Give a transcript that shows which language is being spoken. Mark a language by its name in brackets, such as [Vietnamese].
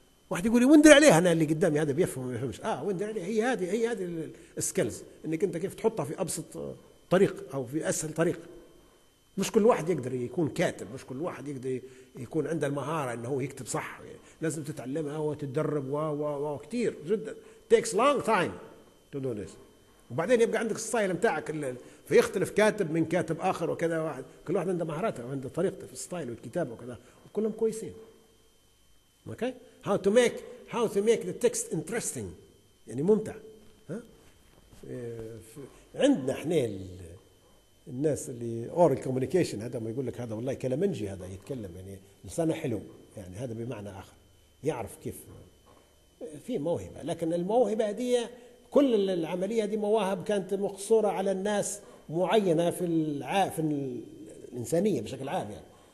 [Arabic] واحد يقول لي وندر عليها، أنا اللي قدامي هذا بيفهم ما بيفهمش، وندر عليها. هي هذه السكيلز، انك انت كيف تحطها في ابسط طريق او في اسهل طريق. مش كل واحد يقدر يكون كاتب، مش كل واحد يقدر يكون عنده المهارة انه هو يكتب صح، لازم تتعلمها وتتدرب كتير جدا. [English] takes long time to do this. [Arabic] وبعدين يبقى عندك الستايل متاعك، فيختلف كاتب من كاتب آخر وكذا، واحد كل واحد عنده مهاراته وعنده طريقته في الستايل والكتابة وكذا، وكلهم كويسين. [English] okay how to make the text interesting، [Arabic] يعني ممتع. عندنا احنا الناس اللي oral communication هذا، ما يقول لك هذا والله كلامنجي، هذا يتكلم يعني لسانه حلو، يعني هذا بمعنى آخر يعرف كيف، في موهبة. لكن الموهبة دي كل العملية دي مواهب كانت مقصورة على الناس معينة في الإنسانية بشكل عام يعني.